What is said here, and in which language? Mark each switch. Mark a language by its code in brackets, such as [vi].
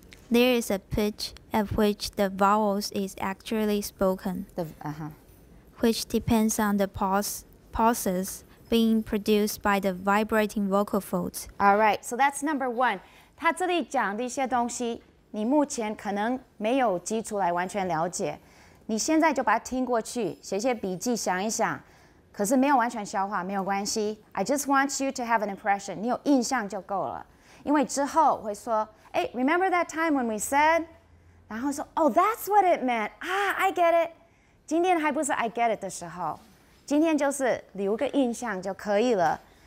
[en] There is a pitch at which the vowels is actually spoken, which depends on the pauses being produced by the vibrating vocal folds. All right, so that's number one. [zh] 他这里讲的一些东西，你目前可能没有基础来完全了解。你现在就把它听过去，写些笔记，想一想。可是没有完全消化没有关系 [en] I just want you to have an impression [zh] 你有印象就够了因为之后会说 [en] hey, Remember that time when we said [zh] 然后说 [en] Oh, that's what it meant Ah, I get it [zh] 今天还不是 [en] I get it [zh] 的时候今天就是留个印象就可以了